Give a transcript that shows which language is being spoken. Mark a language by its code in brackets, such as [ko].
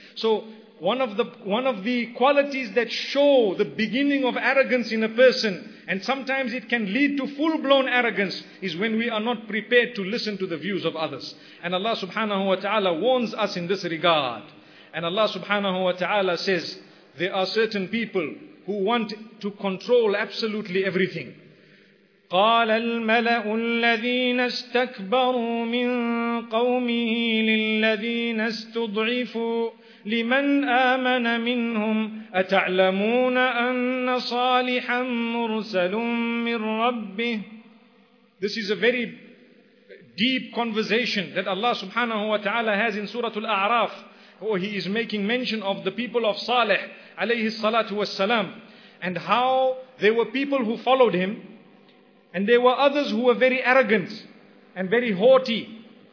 [en] So one of the qualities that show the beginning of arrogance in a person, and sometimes it can lead to full-blown arrogance, is when we are not prepared to listen to the views of others. And Allah subhanahu wa ta'ala warns us in this regard. And Allah subhanahu wa ta'ala says, there are certain people who want to control absolutely everything. [ar] قال الملأ الذين استكبروا من قومه للذين استضعفوا لمن آمن منهم أتعلمون أن صالحا مرسل من ربه. [en] This is a very deep conversation that Allah subhanahu wa ta'ala has in Surah Al-A'raf. Oh, he is making mention of the people of Salih alayhi salatu wassalam, and how there were people who followed him. And there were others who were very arrogant and very haughty.